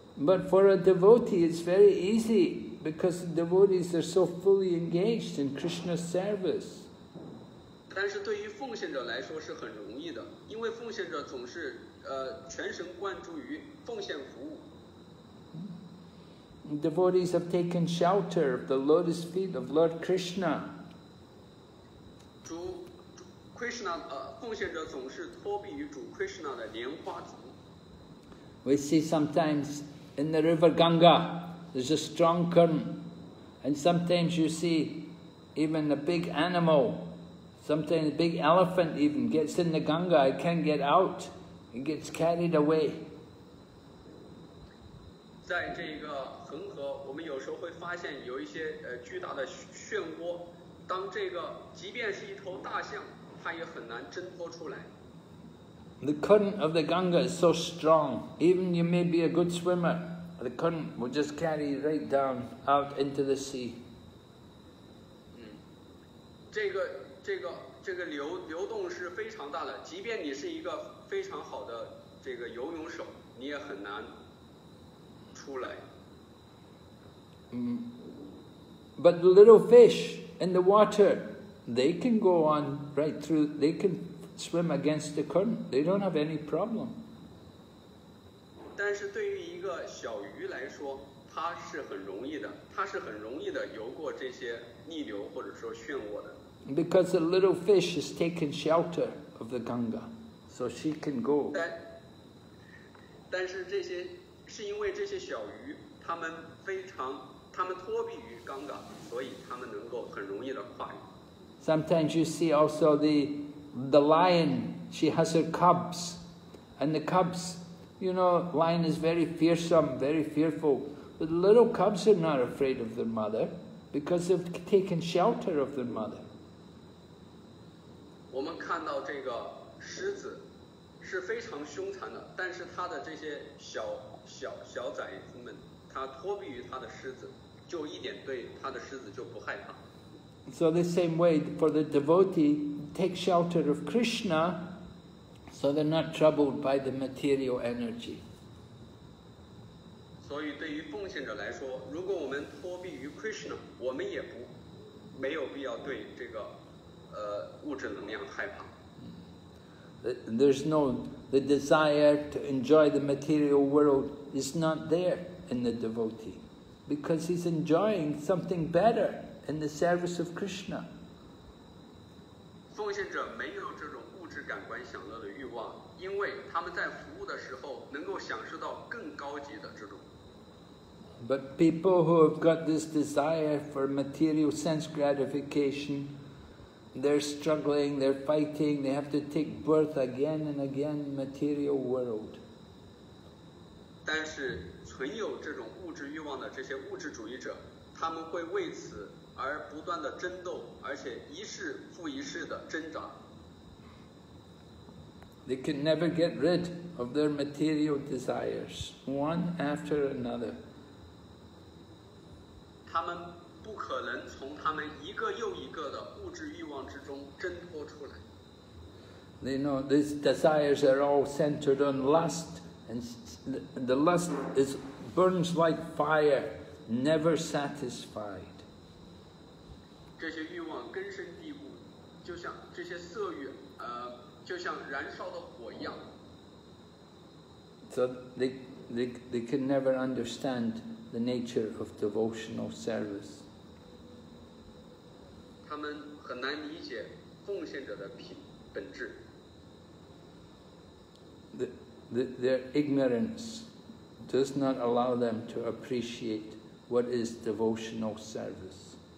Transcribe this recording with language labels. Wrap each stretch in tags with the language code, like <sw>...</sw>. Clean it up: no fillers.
<en>But for a devotee, it's very easy because devotees are so fully engaged in Krishna's service.</en> <zh>但是对于奉献者来说是很容易的，因为奉献者总是全神贯注于奉献服务。</zh> <en>Devotees have taken shelter of the lotus feet of Lord Krishna.</en> <zh>主 Krishna 奉献者总是托庇于主 Krishna 的莲花足。</zh> <en>We see sometimes in the river Ganga, there's a strong current, and sometimes you see even a big animal, sometimes a big elephant even gets in the Ganga, it can't get out, it gets carried away.</en> <zh>在这个恒河，我们有时候会发现有一些巨大的漩涡。当这个，即便是一头大象，它也很难挣脱出来。</zh> <en>The current of the Ganga is so strong. Even you may be a good swimmer, the current will just carry right down out into the sea.</en> <zh>这个流动是非常大的。即便你是一个非常好的这个游泳手，你也很难。</zh> <en>But the little fish in the water, they can go on right through, they can swim against the current, they don't have any problem.</en> <zh>但是对于一个小鱼来说，它是很容易的，它是很容易的游过这些逆流或者说漩涡的。</zh> <en>Because the little fish has taken shelter of the Ganga, so she can go.</en> <zh>但是这些是因为这些小鱼，它们非常，它们托庇于刚刚，所以它们能够很容易的跨越。</zh> <en>Sometimes you see also the lion, she has her cubs, and the cubs, you know, lion is very fearsome, very fearful, but the little cubs are not afraid of their mother, because they've taken shelter of their mother.</en> <zh>我们看到这个狮子是非常凶残的，但是它的这些小崽子们，他托庇于他的狮子，就一点对他的狮子就不害怕。</zh> <en>So the same way for the devotee, take shelter of Krishna, so they're not troubled by the material energy.</en> <zh>所以对于奉献者来说，如果我们托庇于 Krishna, 我们也不没有必要对这个物质能量害怕。</zh> <en>There's no the desire to enjoy the material world. Is not there in the devotee because he's enjoying something better in the service of Krishna.</en> <zh>奉献者没有这种物质感官享乐的欲望，因为他们在服务的时候能够享受到更高级的这种。</zh> <en>But people who have got this desire for material sense gratification, they're struggling, they're fighting, they have to take birth again and again in the material world.</en> <zh>但是存有这种物质欲望的这些物质主义者，他们会为此而不断的争斗，而且一世复一世的挣扎。</zh> <en>They can never get rid of their material desires, one after another.</en> <zh>他们不可能从他们一个又一个的物质欲望之中挣脱出来。</zh> <en>They know these desires are all centered on lust, and the lust is burns like fire, never satisfied.</en> <zh>这些欲望根深蒂固，就像这些色欲，就像燃烧的火一样。</zh> <en>So they can never understand the nature of devotional service.</en> <zh>他们很难理解奉献者的本质。</zh> <en>Their ignorance does not allow them to appreciate what is devotional service.</en>